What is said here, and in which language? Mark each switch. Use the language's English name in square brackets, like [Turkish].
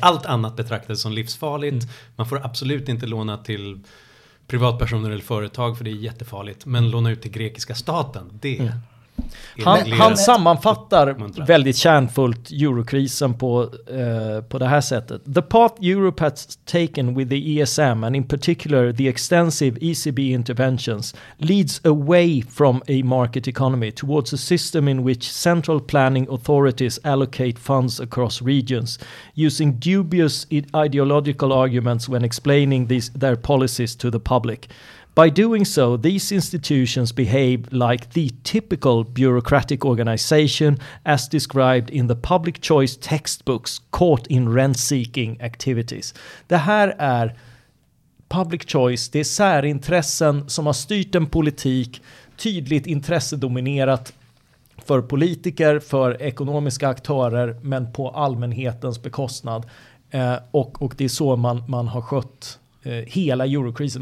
[Swedish] Allt annat betraktades som livsfarligt. Mm. Man får absolut inte låna till privatpersoner eller företag, för det är jättefarligt. Men låna ut till grekiska staten, det är... Mm. Han sammanfattar väldigt kärnfullt eurokrisen på det här sättet. [English] The path Europe has taken with the ESM and in particular the extensive ECB interventions leads away from a market economy towards a system in which central planning authorities allocate funds across regions using dubious ideological arguments when explaining their policies to the public. By doing so, these institutions behave like the typical bureaucratic organization as described in the public choice textbooks caught in rent-seeking activities. [Swedish] Det här är public choice, det är särintressen som har styrt en politik, tydligt intressedominerat för politiker, för ekonomiska aktörer, men på allmänhetens bekostnad. Och det är så man har skött hela eurokrisen.